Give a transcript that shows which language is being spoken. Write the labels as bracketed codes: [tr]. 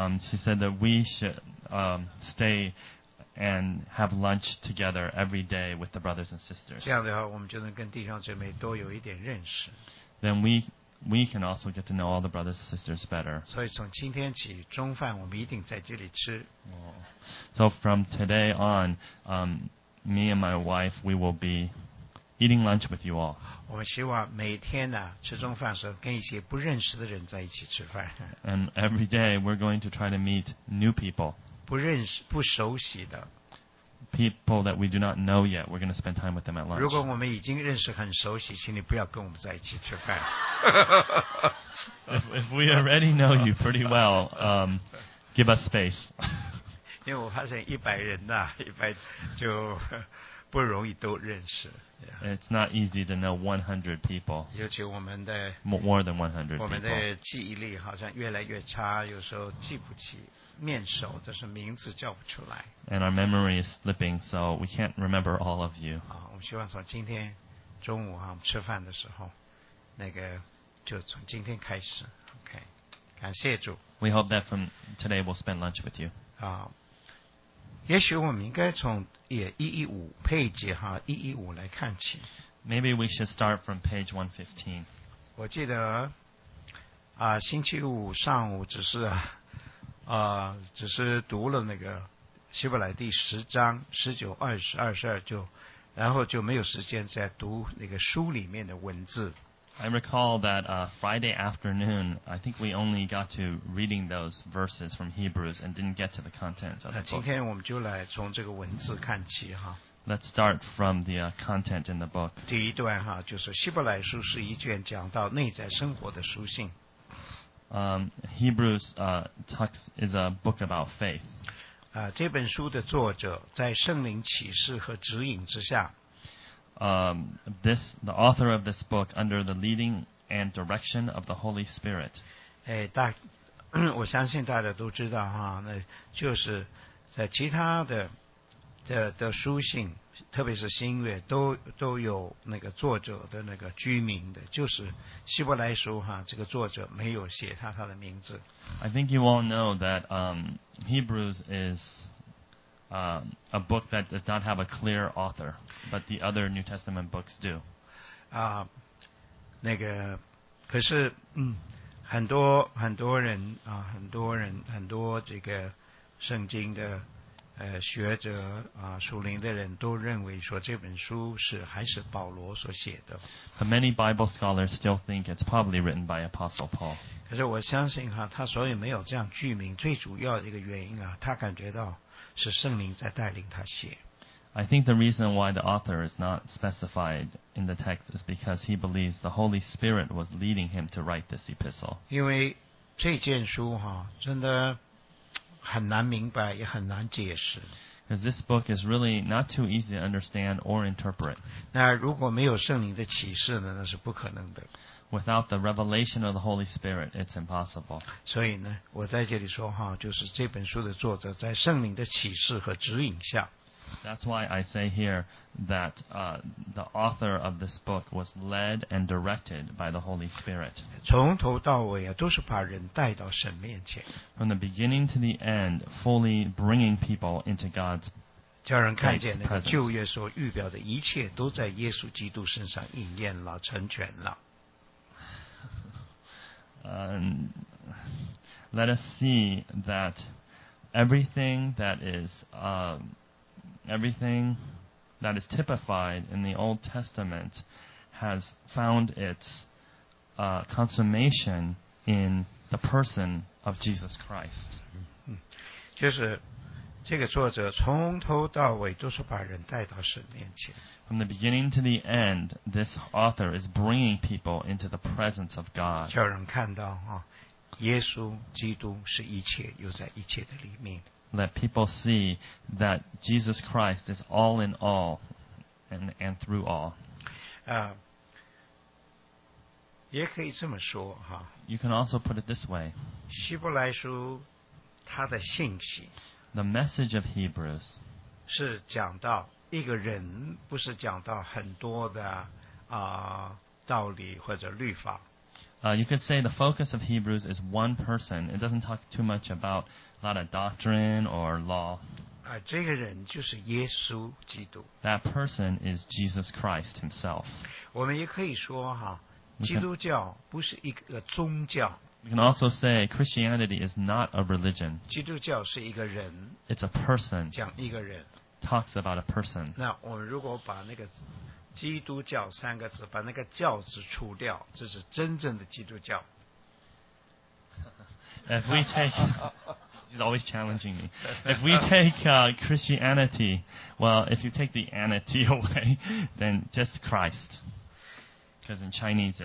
[en] She said that we should stay. And have lunch together every day with the brothers and sisters. [zh] 这样的话，我们就能跟弟兄姊妹多有一点认识。 [en] Then we can also get to know all the brothers and sisters better. [zh] 所以从今天起，中饭我们一定在这里吃。 [en] So from today on, me and my wife, we will be eating lunch with you all. [zh] 我们希望每天呢吃中饭的时候跟一些不认识的人在一起吃饭。 [en] And every day we're going to try to meet new people. [zh] 不认识不熟悉的 [en] people that we do not know yet we're going to spend time with them at lunch [zh] 如果我们已经认识很熟悉请你不要跟我们在一起吃饭 [en] if we already know you pretty well give us space [zh] 因为我发现一百人呐、一百就不容易都认识 [en] it's not easy to know 100 people [zh] 尤其我们的 [en] more than 100 [zh] 我们的记忆力好像越来越差有时候记不起面熟，但是名字叫不出来。 [en] And our memory is slipping, so we can't remember all of you. [zh] 啊，我们希望从今天中午啊，我们吃饭的时候，那个就从今天开始。 OK， 感谢主。 [en] We hope that from today we'll spend lunch with you. [zh] 啊，也许我们应该从也115配节哈115来看起。 [en] Maybe we should start from page 115. [zh] 我记得啊，星期五上午只是。只是读了那个希伯来第十章十九二十二十二就然后就没有时间再读那个书里面的文字。 [en] I recall that Friday afternoon, I think we only got to reading those verses from Hebrews and didn't get to the content of the book. [zh] 今天我们就来从这个文字看起哈。 [en] Let's start from the content in the book. [zh] 第一段哈，就是希伯来书是一卷讲到内在生活的书信。 [en] Hebrews talks is a book about faith. [zh] 这本书的作者在圣灵启示和指引之下。 [en] The author of this book under the leading and direction of the Holy Spirit. [zh] 我相信大家都知道哈，那就是在其他的。的书信，特别是新约，都有那个作者的那个居民的，就是希伯来书哈，这个作者没有写他的名字。 [en] I think you all know that Hebrews is a book that does not have a clear author, but the other New Testament books do. [zh] 那个可是很多很多人啊，很多人很多这个圣经的。学者啊，属灵的人都认为说这本书是还是保罗所写的。 [en] But many Bible scholars still think it's probably written by Apostle Paul. [zh] 可是我相信哈，他所以没有这样具名，最主要的一个原因啊，他感觉到是圣灵在带领他写。 [en] I think the reason why the author is not specified in the text is because he believes the Holy Spirit was leading him to write this epistle. [zh] 因为这件书哈，真的。很难明白，也很难解释。 [en] Because this book is really not too easy to understand or interpret. [zh] 那如果没有圣灵的启示呢，那是不可能的。 [en] Without the revelation of the Holy Spirit, it's impossible. [zh] 所以呢，我在这里说哈，就是这本书的作者在圣灵的启示和指引下。 [en] That's why I say here that the author of this book was led and directed by the Holy Spirit. [zh] 从头到尾啊，都是把人带到神面前。 [en] From the beginning to the end, fully bringing people into God's presence. [zh] 叫人看见那个旧约所预表的一切都在耶稣基督身上应验了，成全了。 [en] Let us see that everything that is everything that is typified in the Old Testament has found its consummation in the person of Jesus Christ. [zh] 就是这个作者从头到尾都是把人带到神面前。 [en] From the beginning to the end, this author is bringing people into the presence of God. [zh] 叫人看到啊，耶稣基督是一切，又在一切的里面。 [en] Let people see that Jesus Christ is all in all and through all. [zh] 也可以这么说哈。 [en] You can also put it this way. [zh] 希伯来书它的信息。 [en] The message of Hebrews. [zh] 是讲到一个人，不是讲到很多的道理或者律法。 [en] You could say the focus of Hebrews is one person. It doesn't talk too much about a lot of doctrine or law. [zh] 这个人就是耶稣基督。 [en] That person is Jesus Christ himself. [zh] 我们也可以说哈，基督教不是一个宗教。 [en] We can also say Christianity is not a religion. [zh] 基督教是一个人。 [en] It's a person. [zh] 讲一个人。 [en] Talks about a person. [zh] 那我们如果把那个基督教三个字把那个教字除掉，这是真正的基督教。 [en] If we take, he's always challenging me. If we take Christianity, well, if you take the anity away, then just Christ, because in Chinese,